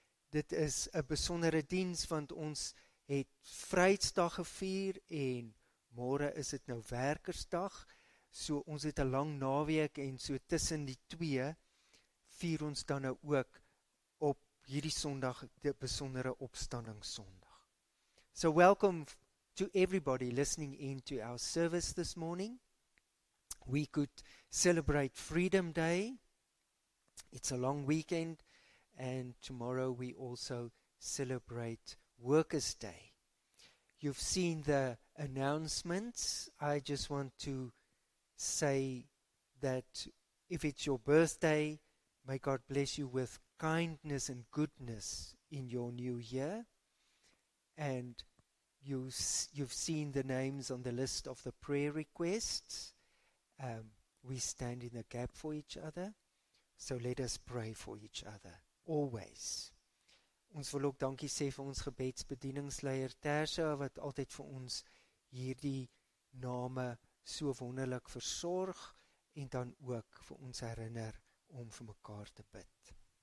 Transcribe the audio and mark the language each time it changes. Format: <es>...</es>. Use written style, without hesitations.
<af>Dit is 'n besondere diens, want ons het Vrydag gevier en môre is dit nou Werkersdag. So ons het 'n lang naweek en so tussen die twee vier ons dan nou ook op hierdie Sondag, die besondere Opstandingssondag.</af> <en>So welcome to everybody listening in to our service this morning. We could celebrate Freedom Day. It's a long weekend. And tomorrow we also celebrate Workers' Day. You've seen the announcements. I just want to say that if it's your birthday, may God bless you with kindness and goodness in your new year. And you've seen the names on the list of the prayer requests. We stand in the gap for each other, so let us pray for each other, always.</en> <af>Ons wil ook dankie sê vir ons gebedsbedieningsleier Tersia, wat altyd vir ons hierdie name so wonderlik versorg, en dan ook vir ons herinner om vir mekaar te bid.</af>